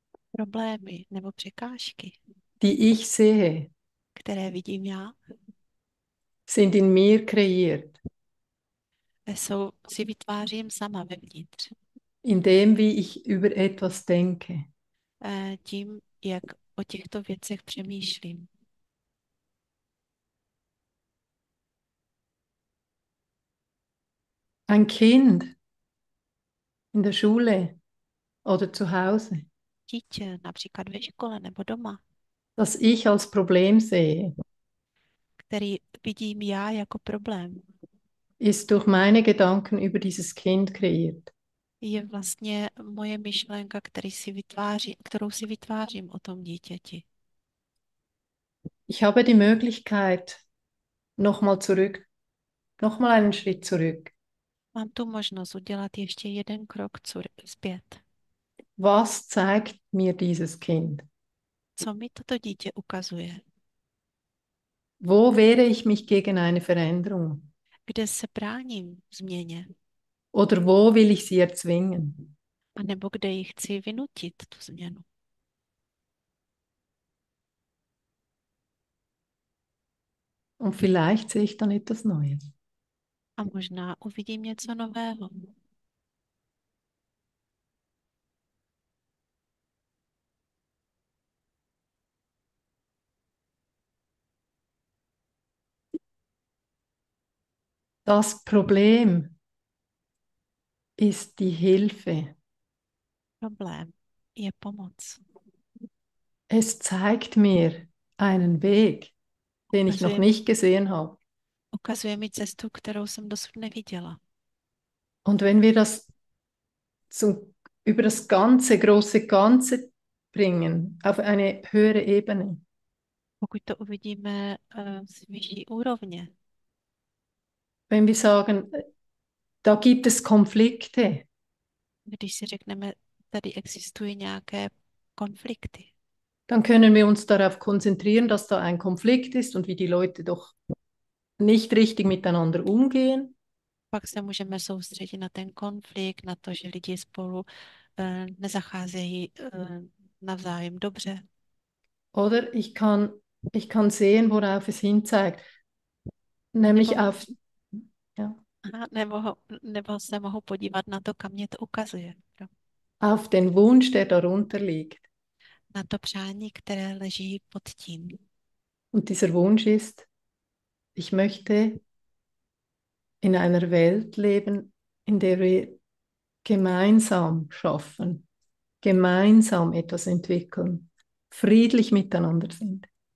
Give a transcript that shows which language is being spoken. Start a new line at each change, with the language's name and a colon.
Czech: Problémy nebo překážky,
German: die ich sehe,
Czech: které vidím já,
German: sind in mir kreiert.
Czech: jsou, si vytvářím sama vevnitř.
German: In dem, wie ich über etwas denke.
Czech: Tím, jak o těchto věcech přemýšlím.
German: Ein Kind in der Schule oder zu Hause,
Czech: Dítě, například ve škole nebo doma,
German: das ich als Problem sehe,
Czech: který vidím já jako problém,
German: ist durch meine Gedanken über dieses Kind kreiert.
Czech: je vlastně moje myšlenka, kterou si vytvářím o tom dítěti.
German: Ich habe die Möglichkeit, nochmal einen Schritt zurück.
Czech: Mám tu možnost udělat ještě jeden krok zpět.
German: Was zeigt mir dieses Kind?
Czech: Co mi toto dítě ukazuje?
German: Wo wehre ich mich gegen eine Veränderung?
Czech: Kde se bráním změně?
German: Oder wo will ich sie erzwingen?
Czech: A nebo kde ji chci vynutit, tu změnu?
German: Und vielleicht sehe ich dann etwas Neues.
Czech: A možná uvidím něco nového.
German: Das Problem ist die Hilfe.
Czech: Problém je pomoc.
German: Es zeigt mir einen Weg, den ich noch nicht gesehen habe.
Czech: Ukazuje mi cestu, kterou jsem dosud neviděla.
German: Und wenn wir das über das ganze, große Ganze bringen, auf eine höhere Ebene,
Czech: Pokud to uvidíme z vyšší úrovně,
German: wenn wir sagen, da gibt es Konflikte,
Czech: když si řekneme, tady existují nějaké konflikty.
German: dann können wir uns darauf konzentrieren, dass da ein Konflikt ist und wie die Leute doch nicht richtig miteinander umgehen.
Czech: Pak se můžeme soustředit na ten konflikt, na to, že lidi spolu nezacházejí navzájem dobře.
German: Oder ich kann sehen, worauf es hinzeigt. Nämlich
Czech: Nebo
German: auf. Ja.
Czech: se mohou podívat na to, kam mě to ukazuje.
German: Auf den Wunsch, der darunter liegt.
Czech: Na to přání, které leží pod tím.
German: Und dieser Wunsch ist, ich möchte in einer Welt leben, in der wir gemeinsam schaffen, gemeinsam etwas entwickeln, friedlich miteinander sind.